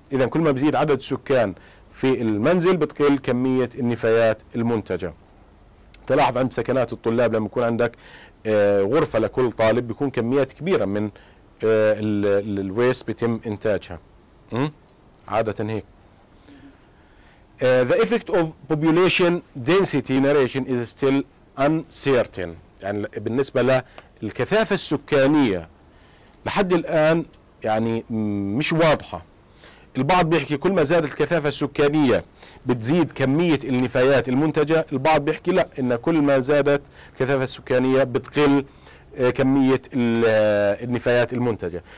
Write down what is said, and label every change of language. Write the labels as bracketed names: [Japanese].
[Arabic] إذا كل ما بزيد عدد السكان في المنزل بتقل كمية النفايات المنتجة. تلاحظ عند سكنات الطلاب لما يكون عندك غرفة لكل طالب بيكون كميات كبيرة من الويست بيتم إنتاجها. عادة هيك. [English] The effect of population density narration is still uncertain. [Arabic] يعني بالنسبة للكثافة السكانية لحد الآن يعني مش واضحة. البعض بيحكي كل ما زادت الكثافة السكانية بتزيد كمية النفايات المنتجة، البعض بيحكي لا، إن كل ما زادت الكثافة السكانية بتقل كمية النفايات المنتجة.